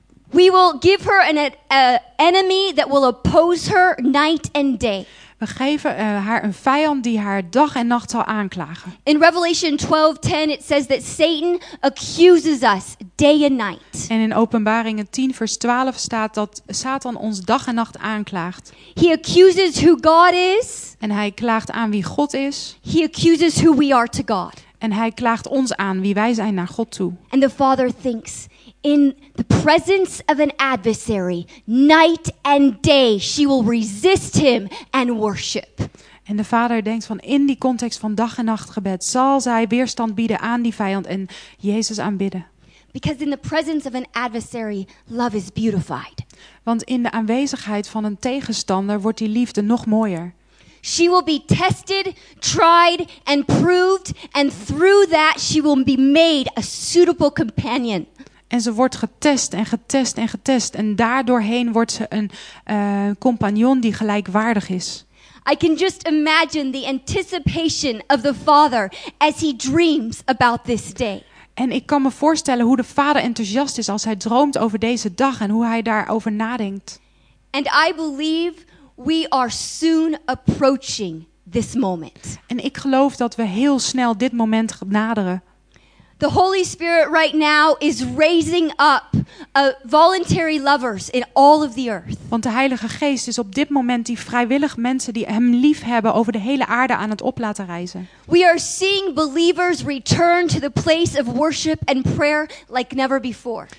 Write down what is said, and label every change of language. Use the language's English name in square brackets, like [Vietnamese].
[English] We will give her an enemy that will oppose her night and day. [Dutch] We geven haar een vijand die haar dag en nacht zal aanklagen. [English] In Revelation 12:10 it says that Satan accuses us day and night. [Dutch] En in Openbaringen 10 vers 12 staat dat Satan ons dag en nacht aanklaagt. [English] He accuses who God is. [Dutch] En hij klaagt aan wie God is. [English] He accuses who we are to God. [Dutch] En hij klaagt ons aan wie wij zijn naar God toe. [English] And the Father thinks, in the presence of an adversary, night and day, she will resist him and worship. [Dutch] En de Vader denkt van in die context van dag en nacht gebed zal zij weerstand bieden aan die vijand en Jezus aanbidden. [English] Because in the presence of an adversary, love is beautified. [Dutch] Want in de aanwezigheid van een tegenstander wordt die liefde nog mooier. [English] She will be tested, tried, and proved, and through that she will be made a suitable companion. [Dutch] En ze wordt getest en getest en getest, en daardoorheen wordt ze een compagnon die gelijkwaardig is. [English] I can just imagine the anticipation of the father as he dreams about this day. [Dutch] En ik kan me voorstellen hoe de vader enthousiast is als hij droomt over deze dag en hoe hij daarover nadenkt. [English] And I believe we are soon approaching this moment. [Dutch] En ik geloof dat we heel snel dit moment naderen. [English] The Holy Spirit right now is raising up voluntary lovers in all of the earth. [Dutch] Want de Heilige Geest is op dit moment die vrijwillig mensen die hem lief hebben over de hele aarde aan het op laten reizen. [English] We are seeing believers return to the place of worship and prayer like never before.